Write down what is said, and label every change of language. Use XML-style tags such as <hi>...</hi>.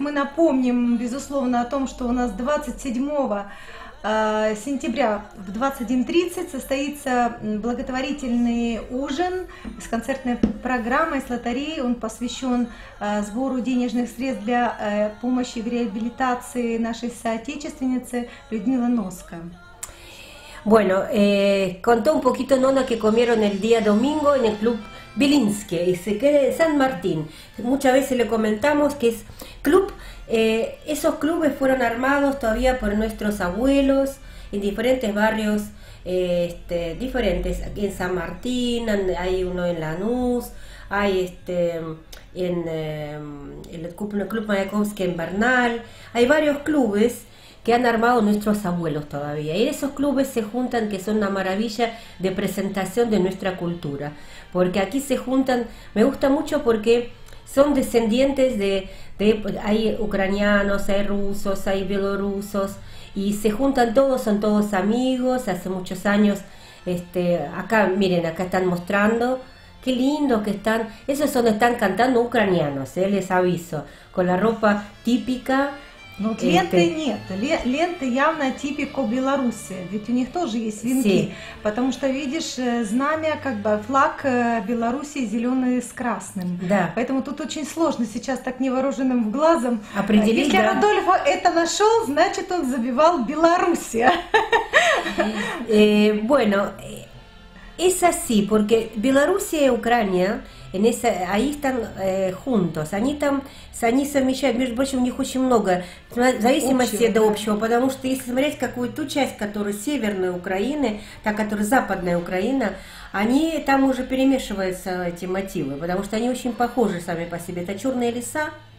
<ru>Мы напомним, безусловно, о том, что у нас 27 сентября в 21:30 состоится благотворительный ужин с концертной программой, с лотереей. Он посвящен сбору денежных средств для помощи в реабилитации нашей соотечественницы Людмилы Носко.</ru> <es>Bueno, contó un poquito Nona que comieron el día domingo en el Club Bilinski, y se queda en San Martín. Muchas veces le comentamos que es club, esos clubes fueron armados todavía por nuestros abuelos en diferentes barrios, diferentes. Aquí en San Martín hay uno en Lanús, hay en el Club Mayakovsky en Bernal, hay varios clubes que han armado nuestros abuelos todavía. Y esos clubes se juntan, que son una maravilla de presentación de nuestra cultura. Porque aquí se juntan, me gusta mucho porque son descendientes de hay ucranianos, hay rusos, hay bielorrusos, y se juntan todos, son todos amigos, hace muchos años. Acá, miren, acá están mostrando, qué lindo que están, esos son, están cantando ucranianos, les aviso, con la ropa típica.</es> <ru>Но вот ленты нет, ленты явно типико Беларуси, ведь у них тоже есть венки, потому что видишь знамя, как бы флаг Беларуси зеленый с красным, да. Поэтому тут очень сложно сейчас так невооруженным глазом определить. Если Радольф это нашел, значит он забивал Беларуси.</ru> <es>Bueno, es así, porque</es> <ru>Белоруссия и Украина</ru> <es>En esa, ahí están juntos.</es> <ru>Они там, они совмещают, между прочим, у них очень много зависимости от общего, потому что если смотреть, какую ту часть, которая северная Украина, та, которая западная Украина, они там уже перемешиваются, эти мотивы, потому что они очень похожи сами по себе. Это черные леса.</ru>